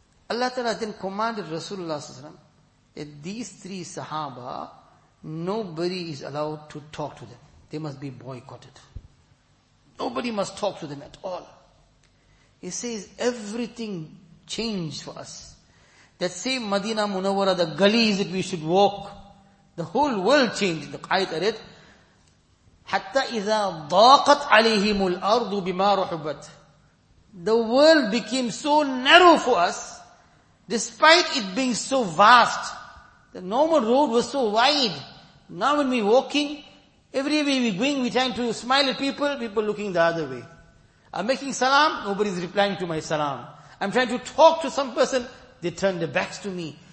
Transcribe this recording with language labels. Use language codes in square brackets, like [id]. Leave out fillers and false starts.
[en] Allah Ta'ala then commanded Rasulullah SAW that these three Sahaba, nobody is allowed to talk to them. They must be boycotted. Nobody must talk to them at all. He says, everything changed for us. That same Madina Munawwara, the gullies that we should walk, the whole world changed. The ayat I read, [ar] حَتَّى إِذَا ضَاقَتْ عَلَيْهِمُ الْأَرْضُ بِمَا رُحُبَتْ. [en] The world became so narrow for us, despite it being so vast. The normal road was so wide. Now when we're walking, every way we're going, we're trying to smile at people, people looking the other way. I'm making salam, nobody's replying to my salam. I'm trying to talk to some person, they turn their backs to me.